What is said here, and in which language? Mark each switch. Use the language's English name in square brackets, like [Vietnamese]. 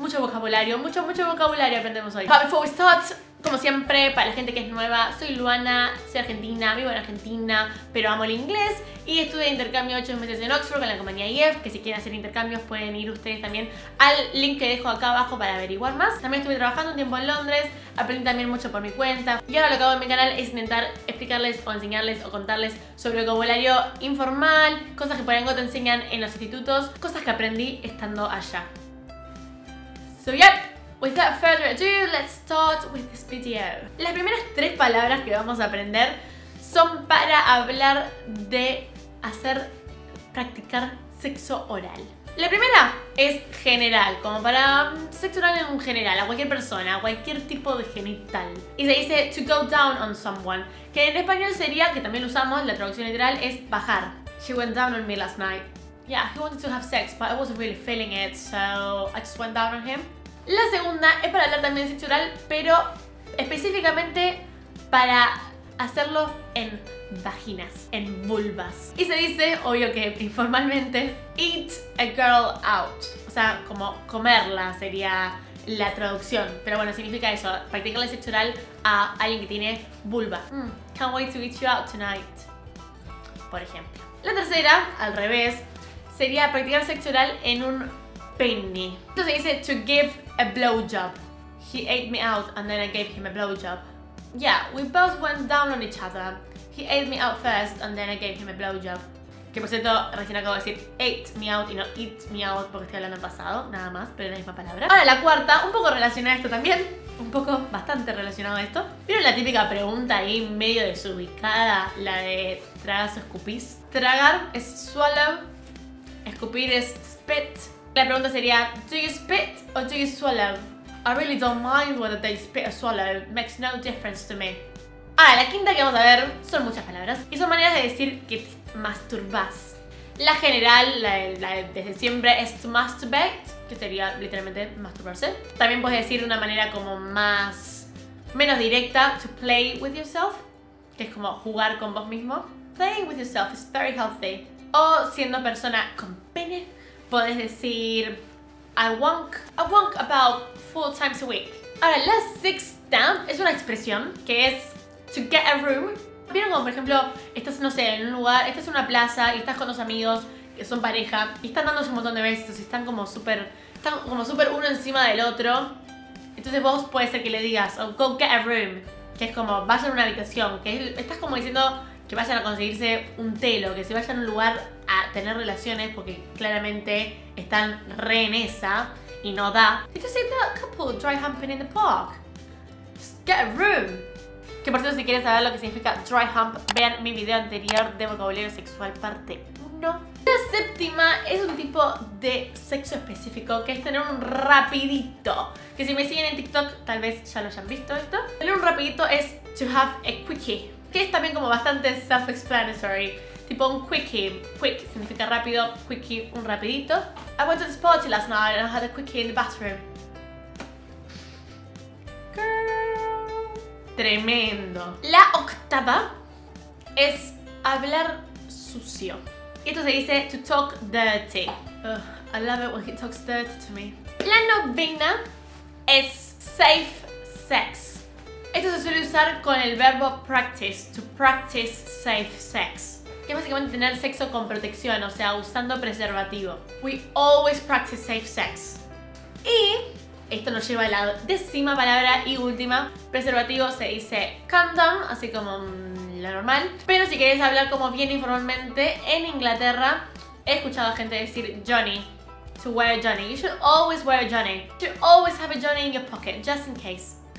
[Spanish] Mucho vocabulario, mucho vocabulario aprendemos hoy. [English] But before we start, [Spanish] como siempre, para la gente que es nueva, soy Luana, soy argentina, vivo en Argentina, pero amo el inglés y estuve de intercambio 8 meses en Oxford con la compañía IEF, que si quieren hacer intercambios pueden ir ustedes también al link que dejo acá abajo para averiguar más. También estuve trabajando un tiempo en Londres, aprendí también mucho por mi cuenta y ahora lo que hago en mi canal es intentar explicarles o enseñarles o contarles sobre vocabulario informal, cosas que por algo te enseñan en los institutos, cosas que aprendí estando allá. [English] So yep! Without further ado, let's start with this video. [Spanish] Las primeras tres palabras que vamos a aprender son para hablar de hacer, practicar sexo oral. La primera es general, como para sexo oral en general, a cualquier persona, a cualquier tipo de genital. Y se dice to go down on someone, que en español sería, que también lo usamos, la traducción literal es bajar. [English] She went down on me last night. Yeah, he wanted to have sex, but I wasn't really feeling it, so I just went down on him. [Spanish] La segunda es para hablar también de sexo oral, pero específicamente para hacerlo en vaginas, en vulvas. Y se dice, obvio que informalmente, eat a girl out. O sea, como comerla sería la traducción. Pero bueno, significa eso, practicar el sexo oral a alguien que tiene vulva. [English] Can't wait to eat you out tonight, [Spanish] por ejemplo. La tercera, al revés, sería practicar sexo oral en un pene. Esto se dice to give a blowjob. [English] He ate me out and then I gave him a blowjob. Yeah, we both went down on each other. He ate me out first and then I gave him a blowjob. [Spanish] Que por cierto, recién acabo de decir ate me out y no eat me out porque estoy hablando en pasado, nada más, pero es la misma palabra. Ahora la cuarta, un poco relacionada a esto también. Un poco bastante relacionado a esto. ¿Vieron la típica pregunta ahí medio desubicada? La de tragas o escupís. Tragar es swallow. Escupir es [English] spit. [Spanish] La pregunta sería, [English] do you spit or do you swallow? I really don't mind whether they spit or swallow. Makes no difference to me. [Spanish] Ahora, la quinta que vamos a ver son muchas palabras y son maneras de decir que te masturbas. La general, la de desde siempre, es to masturbate, que sería literalmente masturbarse. También puedes decir de una manera como menos directa, to play with yourself, que es como jugar con vos mismo. [English] Playing with yourself is very healthy. [Spanish] O siendo persona con pene, puedes decir, [English] I wank about 4 times a week. [Spanish] Ahora, la sexta es una expresión que es to get a room. ¿Vieron como, por ejemplo, estás, no sé, en un lugar, estás en una plaza y estás con dos amigos que son pareja y están dándose un montón de besos y están como súper uno encima del otro? Entonces vos puede ser que le digas, oh, go get a room, que es como, vayan a una habitación, que es, estás como diciendo que vayan a conseguirse un telo, que se vayan a un lugar a tener relaciones porque claramente están re en esa y no da. [English] Did you see that couple dry humping in the park? Just get a room. [Spanish] Que por cierto, si quieren saber lo que significa dry hump, vean mi video anterior de vocabulario sexual parte 1. La séptima es un tipo de sexo específico que es tener un rapidito. Que si me siguen en TikTok tal vez ya lo hayan visto esto. Tener un rapidito es to have a quickie. Que es también como bastante self-explanatory. Tipo un quickie. Quick significa rápido. Quickie, un rapidito. [English] I went to this party last night and I had a quickie in the bathroom. [Spanish] Girl. Tremendo. La octava es hablar sucio. Y esto se dice to talk dirty. [English] Ugh, I love it when he talks dirty to me. [Spanish] La novena es safe sex. Esto se suele usar con el verbo practice. To practice safe sex. Que es básicamente tener sexo con protección, o sea, usando preservativo. [English] We always practice safe sex. [Spanish] Y esto nos lleva a la décima palabra y última. Preservativo se dice condom, así como lo normal. Pero si querés hablar como bien informalmente, en Inglaterra he escuchado a gente decir Johnny. [English] To wear a Johnny. You should always wear a Johnny. You should always have a Johnny in your pocket, just in case.